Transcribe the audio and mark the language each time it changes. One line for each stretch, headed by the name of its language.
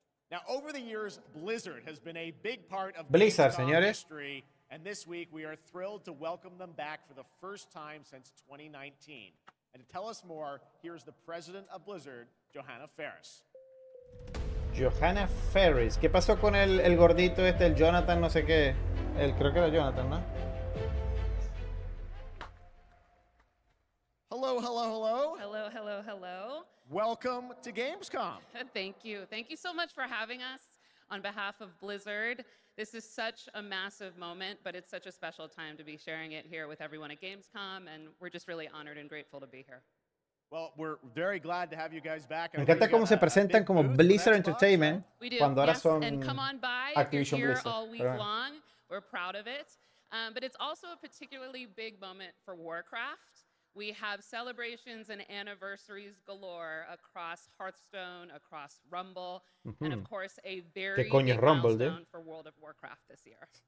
English: Now, over the years, Blizzard has been a big part of GameStop's history, and this week we are thrilled to welcome them back for the first time since 2019. And to tell us more, here's the president of Blizzard, Johanna Ferris. Johanna Ferris.
Spanish: ¿Qué pasó con el gordito este, el Jonathan no sé qué? El, creo que era Jonathan, ¿no?
English: Hello, hello, hello. Hello, Hello. Welcome to Gamescom. Thank you. Thank you so much for having us on behalf of Blizzard. This is such a massive moment, but it's such a special time to be sharing it here with everyone at Gamescom, and we're just really honored and grateful to be here. Well, we're very glad to have you guys back.
Spanish: Me encanta cómo se presentan como Blizzard Entertainment cuando ahora son Activision Blizzard.
English: And come on by, if you're here all week long. We're proud of it. But it's also a particularly big moment for Warcraft. We have celebrations and anniversaries galore across Hearthstone, across Rumble, and of course a very big milestone for World of Warcraft this year.